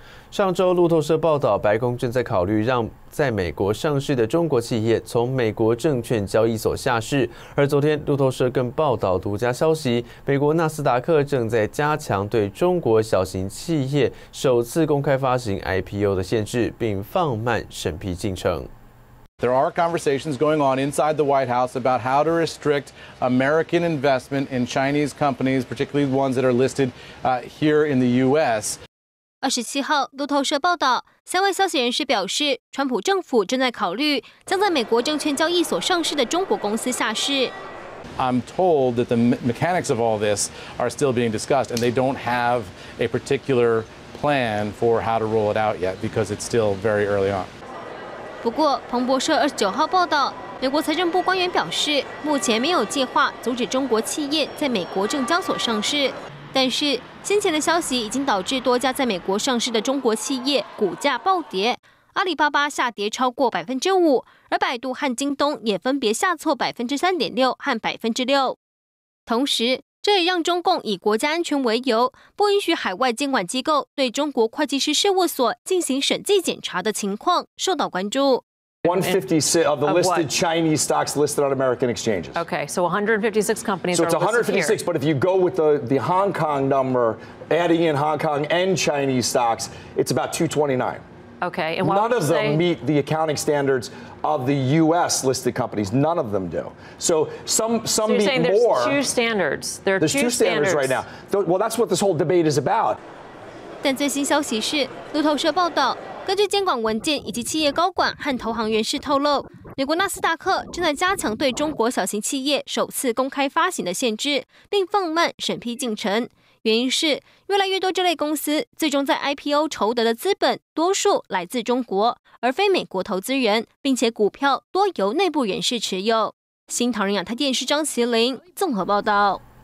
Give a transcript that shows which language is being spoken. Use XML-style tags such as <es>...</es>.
<zh>上周路透社报道，白宫正在考虑让在美国上市的中国企业从美国证券交易所下市。而昨天路透社更报道独家消息，美国纳斯达克正在加强对中国小型企业首次公开发行 IPO 的限制，并放慢审批进程。</zh> <en>There are conversations going on inside the White House about how to restrict American investment in Chinese companies, particularly the ones that are listed here in the U.S.</en> <zh>27号，路透社报道，3位消息人士表示，川普政府正在考虑将在美国证券交易所上市的中国公司下市。</zh> <en>I'm told that the mechanics of all this are still being discussed, and they don't have a particular plan for how to roll it out yet, because it's still very early on.</en> <zh>不过，彭博社29号报道，美国财政部官员表示，目前没有计划阻止中国企业在美国证交所上市，但是。先前的消息已经导致多家在美国上市的中国企业股价暴跌，阿里巴巴下跌超过5%，而百度和京东也分别下挫3.6%和6%。同时，这也让中共以国家安全为由，不允许海外监管机构对中国会计师事务所进行审计检查的情况受到关注。</zh> <en>156 of the listed Chinese stocks listed on American exchanges. Okay, so 156 companies. So it's 156, but if you go with the Hong Kong number, adding in Hong Kong and Chinese stocks, it's about 229. Okay, and none of them meet the accounting standards of the U.S. listed companies. None of them do. So some meet more. You're saying there's two standards. There's two standards right now. Well, that's what this whole debate is about.</en> <zh>但最新消息是，路透社报道。根据监管文件以及企业高管和投行人士透露，美国纳斯达克正在加强对中国小型企业首次公开发行的限制，并放慢审批进程。原因是越来越多这类公司最终在 IPO 筹得的资本多数来自中国，而非美国投资人，并且股票多由内部人士持有。新唐人亚太电视张麒麟综合报道。</zh>